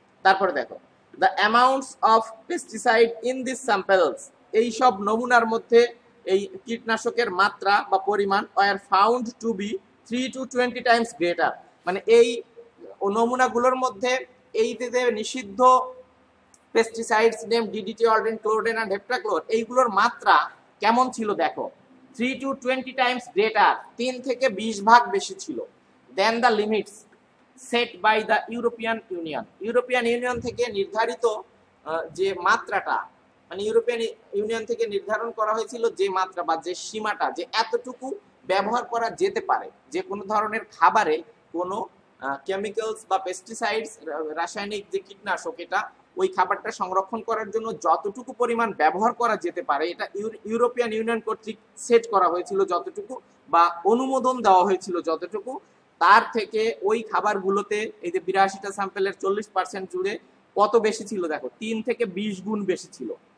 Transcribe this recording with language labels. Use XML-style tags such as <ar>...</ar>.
<bn>তারপরে দেখো,</bn> <en>the amounts of pesticide in this samples,</en> <bn>এই সব নমুনার মধ্যে এই কীটনাশকের মাত্রা বা পরিমাণ</bn> <en>were found to be 3-20 times greater,</en> <bn>মানে এই নমুনাগুলোর মধ্যে এই যে নিষিদ্ধ pesticides name DDT, অর্ডিন, chlordane and হেপটাক্লোর, এইগুলোর মাত্রা কেমন ছিল দেখো, 3-20 times গ্রেটার, 3-20 ভাগ বেশি ছিল।</bn> <en>than the limits set by the European Union.</en> <bn>European Union থেকে নির্ধারিত যে মাত্রাটা, মানে ইউরোপিয়ান ইউনিয়ন থেকে নির্ধারণ করা হয়েছিল যে মাত্রা বা যে সীমাটা, যে এতটুকু ব্যবহার করা যেতে পারে যে কোনো ধরনের খাবারে কোনো কেমিক্যালস বা পেস্টিসাইডস, রাসায়নিক যে কীটনাশক, এটা ওই খাবারটা সংরক্ষণ করার জন্য যতটুকু পরিমাণ ব্যবহার করা যেতে পারে এটা ইউরোপিয়ান ইউনিয়ন কর্তৃক সেট করা হয়েছিল যতটুকু, বা অনুমোদন দেওয়া হয়েছিল যতটুকু, তার থেকে ওই খাবারগুলোতে এই যে 82টা স্যাম্পলের 40% জুড়ে কত বেশি ছিল দেখো, 3 থেকে 20 গুণ বেশি ছিল।</bn>